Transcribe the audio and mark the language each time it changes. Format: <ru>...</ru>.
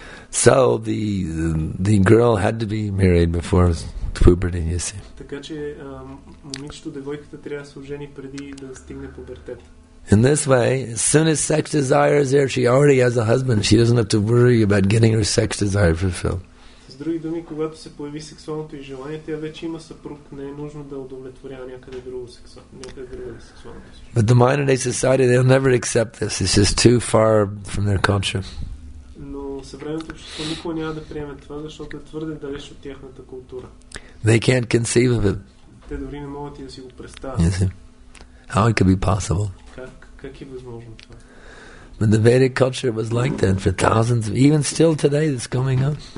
<en>So the girl had to be married before puberty, you see.</en> <bg>Така че момичето, девойката трябва да се ожени преди да стигне пубертет.</bg> <en>In this way, as soon as sex desire is there, she already has a husband. She doesn't have to worry about getting her sex desire fulfilled.</en> <bg>С други думи, когато се появи сексуалното и желание, тя вече има съпруг, не е нужно да удовлетворява някъде друго сексуалното.</bg> <en>But the modern day society, they'll never accept this. It's just too far from their culture.</en> <bg>Но съвременното общество никога няма да приеме това, защото е твърде далеч от тяхната култура.</bg> <en>They can't conceive of it.</en> <bg>Те дори не могат и да си го представят.</bg> <en>How it could be possible?</en> <bg>Как е възможно това?</bg> <en>But the Vedic culture was like that for thousands of years. Even still today, it's going on.</en>